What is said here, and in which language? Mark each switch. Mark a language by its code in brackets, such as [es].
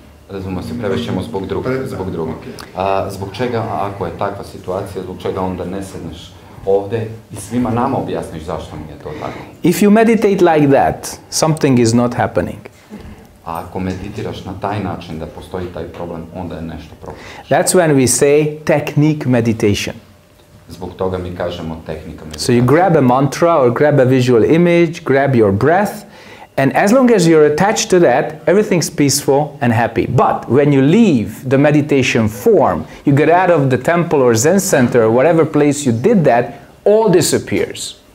[sr] Razumemo se, prevešćemo zbog drugog. Zbog čega, ako je takva situacija, zbog čega onda ne sedneš ovde I svima nama objasniš zašto mi je to tako? [en] If you meditate like that, something is not happening. [sr] A ako meditiraš na taj način da postoji taj problem, onda je nešto problem. [en] That's when we say technique meditation. [sr] Zbog toga mi kažemo tehnika meditacija. [en] So you grab a mantra or grab a visual image, grab your breath, and as long as you're attached to that, everything's peaceful and happy. But when you leave the meditation form, you get out of the temple or Zen center, or whatever place you did that, all disappears.